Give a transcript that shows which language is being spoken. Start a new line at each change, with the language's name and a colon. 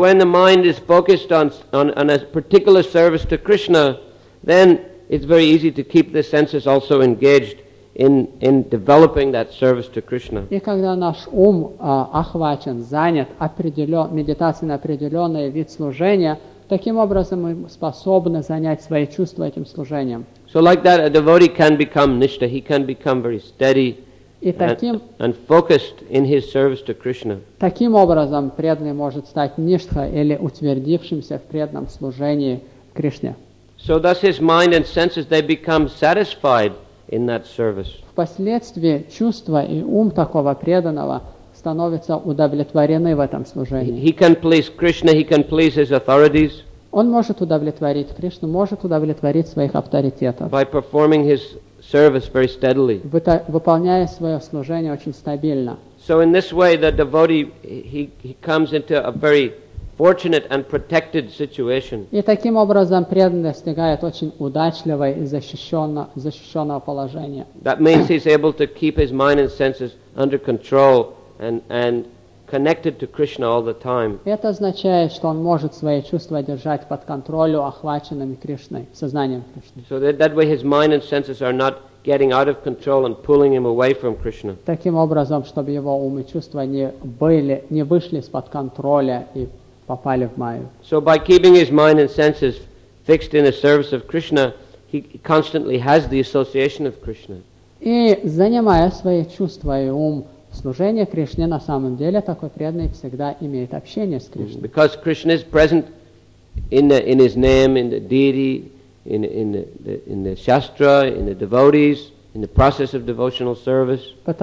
English: When the mind is focused on a particular service to Krishna, then it's very easy to keep the senses also engaged in developing that service to Krishna.
Russian: И когда наш ум охвачен, занят медитацией на определенный вид служения, таким образом мы способны занять свои чувства этим служением.
English: So like that, a devotee can become nishtha. He can become very steady. And focused in his service to Krishna.
Russian: Таким образом, преданный может стать ништха или утвердившимся в преданном служении Кришне.
English: So thus his mind and senses they become satisfied in that service.
Russian: Впоследствии чувства и ум такого преданного становятся удовлетворены в этом служении.
English: He can please Krishna. He can please his authorities.
Russian: Он может удовлетворить Кришну, может удовлетворить своих авторитетов.
English: By performing his service very steadily.
Russian: Выполняя свое служение очень стабильно.
English: So in this way the devotee he comes into a very fortunate and protected situation.
Russian: И таким образом преданный достигает очень удачливого и защищенного положения.
English: That means he's able to keep his mind and senses under control and connected to Krishna all the time.
Russian: Это означает, что он может свои чувства держать под контролем, охваченными Кришной, сознанием Кришны.
English: So that way his mind and senses are not getting out of control and pulling him away from Krishna.
Russian: Таким образом, чтобы его ум и чувства не вышли из-под контроля и попали в маю.
English: So by keeping his mind and senses fixed in the service of Krishna, he constantly has the association of Krishna.
Russian: И занимая свои чувства и ум служение Кришне, на самом деле, такой преданный всегда имеет общение с Кришной.
English: Because Krishna is present in his name, in the deity, in the shastra, in the devotees, in the process of devotional service.